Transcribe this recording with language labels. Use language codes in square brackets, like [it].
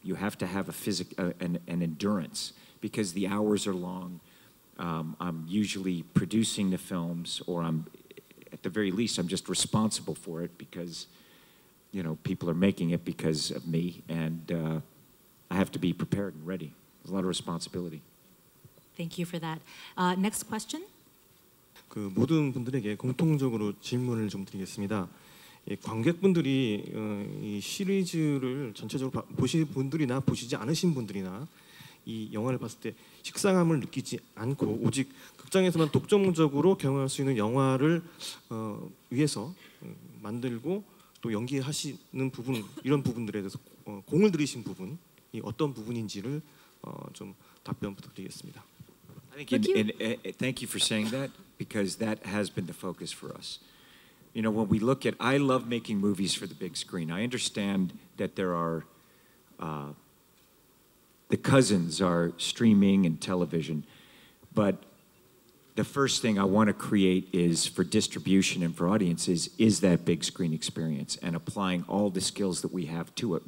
[en] You have to have a an endurance because the hours are long. I'm usually producing the films, or I'm, at the very least, I'm just responsible for it because, you know, people are making it because of me, and I have to be prepared and ready. There's a lot of responsibility. Thank you for that. Next question. [ko] 그 모든 분들에게 공통적으로 질문을 좀 드리겠습니다. 예, 관객분들이 이 시리즈를 전체적으로 보신 분들이나 보시지 않으신 분들이나 이 영화를 봤을 때 식상함을 느끼지 않고 오직 극장에서만 독점적으로 경험할 수 있는 영화를 위해서 만들고 또 연기하시는 부분 이런 부분들에 대해서 공을 들이신 부분 이 어떤 부분인지를 좀 답변 부탁드리겠습니다. [en] I think thank you for saying that because that has been the focus for us. You know, when we look at, I love making movies for the big screen. I understand that there are the cousins are streaming and television, but the first thing I want to create is for distribution and for audiences is that big screen experience and applying all the skills that we have to it.